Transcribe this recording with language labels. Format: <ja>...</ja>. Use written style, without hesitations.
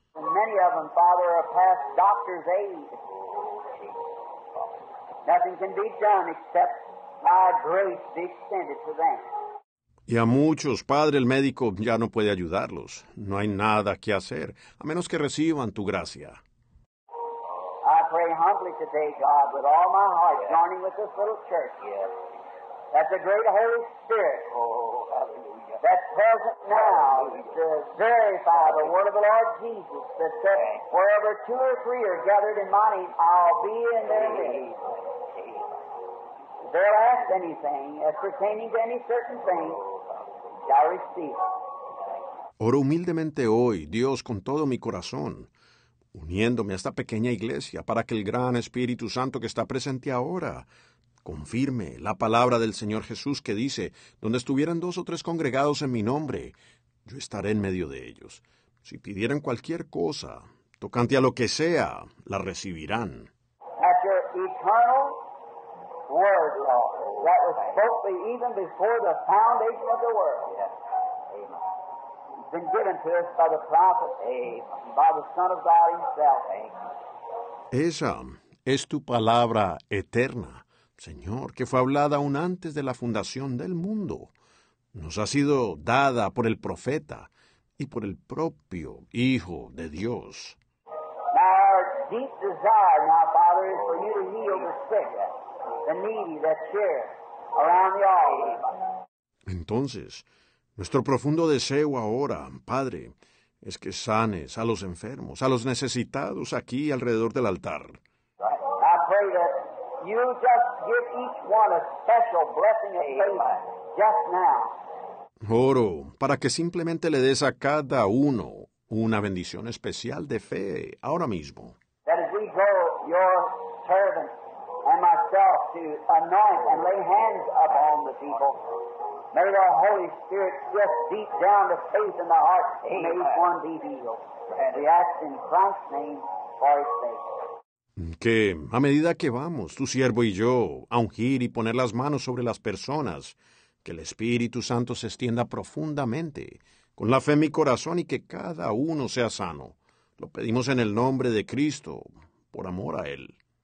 <en>Many of them, Father, are past doctor's aid. Nothing can be done except my grace be extended to them.</en> <es>Y a muchos, Padre, el médico ya no puede ayudarlos. No hay nada que hacer, a menos que reciban tu gracia.</es> <en>I pray humbly today, God, with all my heart, yes, joining with this little church, yes, that the great Holy Spirit, oh, hallelujah, that's present now, hallelujah, to verify, hallelujah, the word of the Lord Jesus, that said, wherever two or three are gathered in my name, I'll be in their midst. They'll ask anything as pertaining to any certain thing, shall receive.</en> <es>Oro humildemente hoy, Dios, con todo mi corazón, uniéndome a esta pequeña iglesia para que el gran Espíritu Santo que está presente ahora confirme la palabra del Señor Jesús que dice, donde estuvieran dos o tres congregados en mi nombre, yo estaré en medio de ellos. Si pidieran cualquier cosa, tocante a lo que sea, la recibirán.</es> <en>At your eternal word, Lord, that was spoken even before the foundation of the world. Yes. Been given to us by the prophet, by the Son of God himself.</en> <es>Esa es tu palabra eterna, Señor, que fue hablada aún antes de la fundación del mundo. Nos ha sido dada por el profeta y por el propio Hijo de Dios.</es> <en>Now our deep desire, my Father, is for you to heal the sick, the needy, that's here, around the altar.</en> <es>Entonces, nuestro profundo deseo ahora, Padre, es que sanes a los enfermos, a los necesitados aquí alrededor del altar.</es> <en>I pray that you just give each one a special blessing of faith just now.</en> <es>Oro para que simplemente le des a cada uno una bendición especial de fe ahora mismo.</es> <en>That as we go, your servant and myself, to anoint and lay hands upon the people, may the Holy Spirit just deep down the faith in the heart, and may each one be healed. We ask in Christ's name for his sake.</en> <es>Que a medida que vamos, tu siervo y yo, a ungir y poner las manos sobre las personas, que el Espíritu Santo se extienda profundamente, con la fe en mi corazón y que cada uno sea sano. Lo pedimos en el nombre de Cristo, por amor a Él.</es>